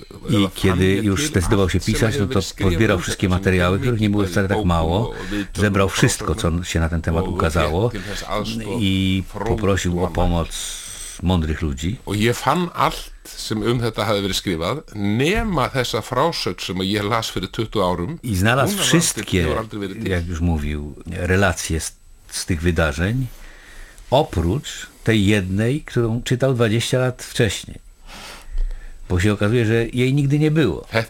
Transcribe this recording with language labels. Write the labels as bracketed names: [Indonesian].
[Polish] I kiedy już zdecydował się pisać, no to pozbierał wszystkie materiały, których nie było wcale tak mało. Zebrał wszystko, co się na ten temat ukazało i poprosił o pomoc mądrych ludzi. [Icelandic] Og ég fann allt sem þetta hafði verið skrifað nema þessa frásögn sem ég las fyrir 20 árum. [Polish] I znalazł wszystkie, jak już mówił, relacje z tych wydarzeń oprócz tej jednej, którą czytał 20 lat wcześniej. Bo się okazuje, że jej nigdy nie było.